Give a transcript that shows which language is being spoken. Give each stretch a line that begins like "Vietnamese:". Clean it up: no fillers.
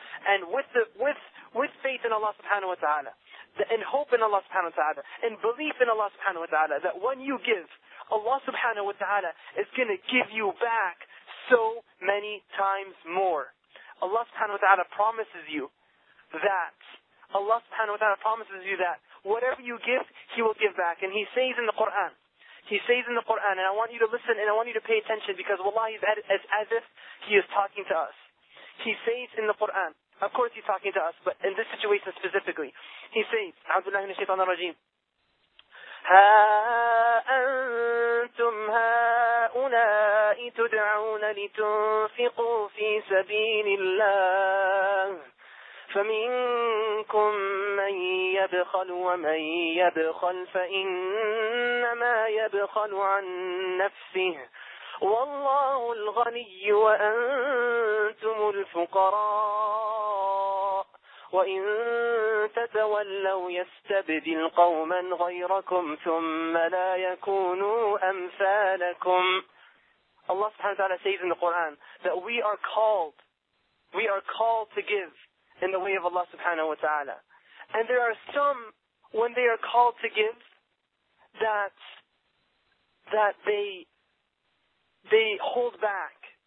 English: And with faith in Allah subhanahu wa ta'ala, in hope in Allah subhanahu wa ta'ala, in belief in Allah subhanahu wa ta'ala, that when you give, Allah subhanahu wa ta'ala is going to give you back so many times more. Allah subhanahu wa ta'ala promises you that, Allah subhanahu wa ta'ala promises you that whatever you give, He will give back. And He says in the Qur'an, and I want you to listen and I want you to pay attention, because wallahi, it's as if He is talking to us. He says in the Qur'an, of course He's talking to us, but in this situation specifically, He says,
Arabic: عَبْدُ اللَّهِ الرَّجِيمِ هَا أَنْتُمْ هَؤُلَاءِ تُدْعَوْنَ لِتُنْفِقُوا فِي سَبِيلِ اللَّهِ فَمِنْكُمْ مَنْ يَبْخَلُ وَمَنْ يَبْخَلْ فَإِنَّمَا يَبْخَلُ عَنْ نَفْسِهِ وَاللَّهُ الْغَنِيُّ وَأَنْتُمُ الْفُقَرَاءُ وَإِنْ تَتَوَلَّوْا يَسْتَبْدِلْ قَوْمًا غَيْرَكُمْ ثُمَّ لَا يَكُونُوا أَمْثَالَكُمْ.
English: Allah subhanahu wa ta'ala says in the Qur'an that we are called to give in the way of Allah subhanahu wa ta'ala. And there are some, when they are called to give, that they hold back.